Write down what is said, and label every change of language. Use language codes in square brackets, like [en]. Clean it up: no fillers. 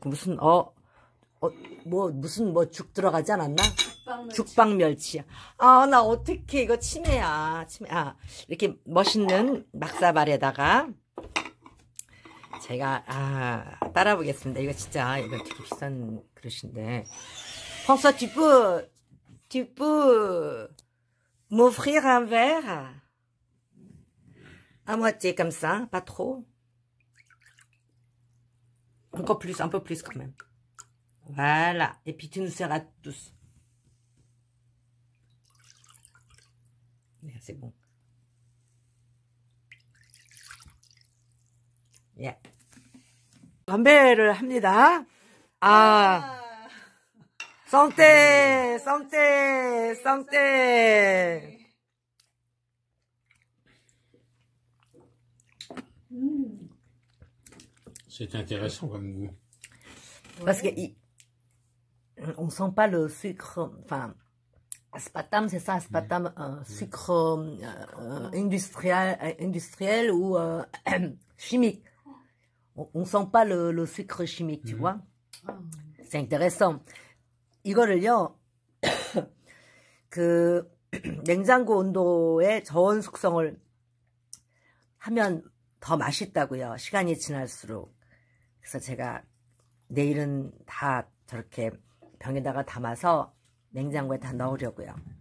[ko] 그 무슨 무슨 뭐죽 들어가지 않았나? 죽빵 멸치야. 아, 나 어떻게 이거 치매야. 치매야. 아, 이렇게 멋있는 막사발에다가 제가 따라 보겠습니다. 이거 진짜 이거 되게 비싼 그릇인데. [fr] François, tu peux m'offrir un verre? À moitié comme ça, pas trop. Encore plus, un peu plus quand même. Voilà. Et puis tu nous seras tous. C'est bon. [ko] Yeah. 건배를 합니다. 아. [fr] Santé, santé, santé. C'est intéressant comme goût. Parce que on sent pas le sucre, enfin, aspartame, c'est ça, aspartame, sucre industriel ou chimique. On sent pas le sucre chimique, tu vois. C'est intéressant. [ko] 이거를요, 그 냉장고 온도의 저온 숙성을 하면 더 맛있다고요. 시간이 지날수록. 그래서 제가 내일은 다 저렇게 병에다가 담아서 냉장고에 다 넣으려고요.